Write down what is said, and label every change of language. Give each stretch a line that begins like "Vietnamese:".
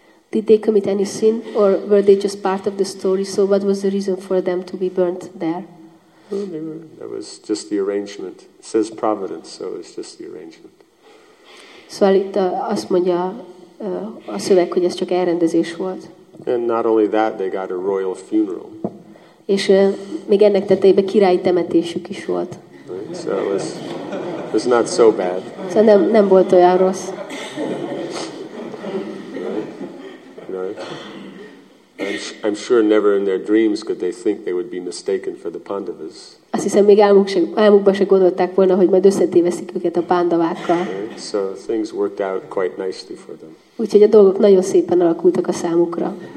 English: Did they commit any sin, or were they just part of the story? So what was the reason for them to be burnt there? That was just the arrangement. It says providence, so it's just the arrangement.
Hungarian: Szóval itt azt mondja a szöveg, hogy ez csak elrendezés volt.
English: And not only that, they got a royal funeral.
Hungarian: És még ennek tetejében királyi temetésük is volt.
English: So it was not so bad.
Hungarian: Szóval nem volt olyan rossz.
English: I'm sure never in their dreams could they think they would be mistaken for the Pandavas.
Hungarian: Azt hiszem, még álmukba se gondolták volna, hogy majd összetéveszik őket a Pandavákkal.
English: So things worked out quite nicely for them.
Hungarian: Úgyhogy a dolgok nagyon szépen alakultak a számukra.